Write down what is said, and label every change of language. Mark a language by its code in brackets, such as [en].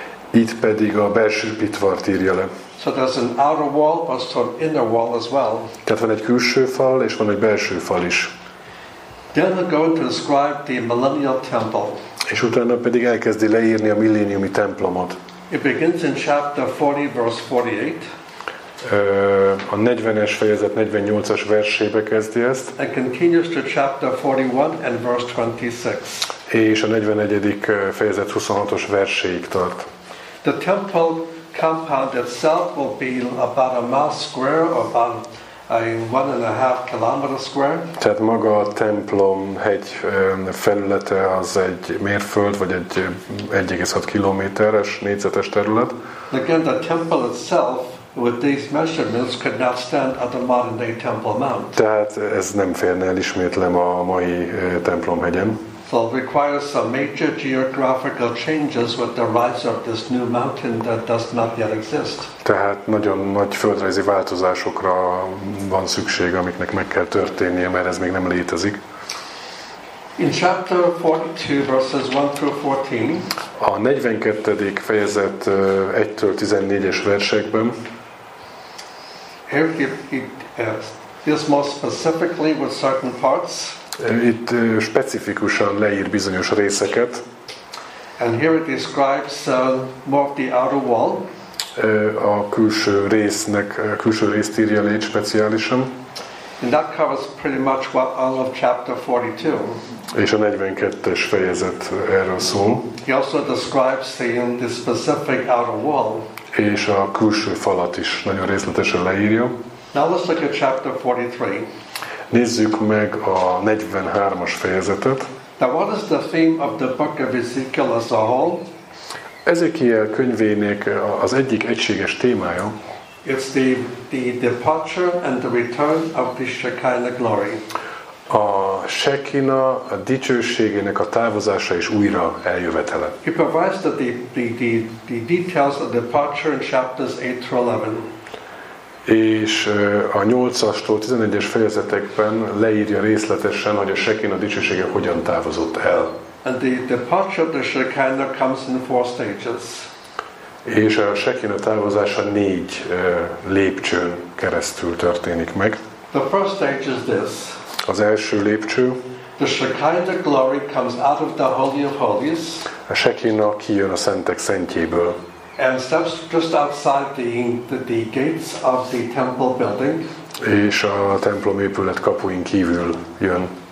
[hu] Itt pedig a belső pitvart írja le. [en] So there's an outer wall, but an inner wall as well. [hu] Tehát van egy külső fal és van egy belső fal is. [en] Then we're going to describe the millennial temple. [hu] És utána pedig elkezdi leírni a milléniumi templomot. [en] It begins in chapter 40, verse 48. [hu] A 40-es fejezet 48-as versébe kezdi ezt. [en] And continues to chapter 41 and verse 26. [hu] És a 41. fejezet 26-os verséig tart. [en] The temple compound itself will be about a mile square, about 1.5 kilometer square. [hu] Tehát maga a templom hegy felülete az egy mérföld, vagy egy 1,6 kilométeres négyzetes terület. [en] Again, the temple itself with these measurements could not stand at the modern day Temple Mount. [hu] Tehát ez nem férne el ismétlem a mai templomhegyen. [en] So it requires some major geographical changes with the rise of this new mountain that does not yet exist. [hu] Tehát nagyon nagy földrajzi változásokra van szükség, amiknek meg kell történnie, mert ez még nem létezik. [en] In chapter 42, verses 1 through 14. [hu] A 42. fejezet 1-től 14-es versekben. [en] Here he deals more specifically with certain parts. [hu] Itt specifikusan leír bizonyos részeket. [en] And here it describes more of the outer wall. [hu] A külső résznek, a külső részt írja le speciálisan. [en] And that covers pretty much what all of chapter 42. [hu] És a 42-es fejezet erről szól. [en] He also describes the specific outer wall. [hu] És a külső falat is nagyon részletesen leírja. [en] Now let's look at chapter 43. [hu] Nézzük meg a 43-as fejezetet. [en] Now what is the theme of the book of Ezekiel as a whole? [hu] Ezekiel könyvének az egyik egységes témája. [en] It's the departure and the return of the Shekinah glory. [hu] A Shekina, a dicsőségének a távozása és újra eljövetele. [en] He provides the details of the departure in chapters 8 through 11. [hu] És a 8-astól 11-es fejezetekben leírja részletesen, hogy a Shekina dicsősége hogyan távozott el. [en] And the departure of the Shekinah comes in four stages. [hu] És a Shekina távozása négy lépcsőn keresztül történik meg. [en] The first stage is this. [hu] Az első lépcső. [en] The Shekinah glory comes out of the Holy of Holies. [hu] A Shekina kijön a Szentek Szentjéből. [en] And steps just outside the gates of the temple building. [hu] És a templom épület kapuin kívül jön.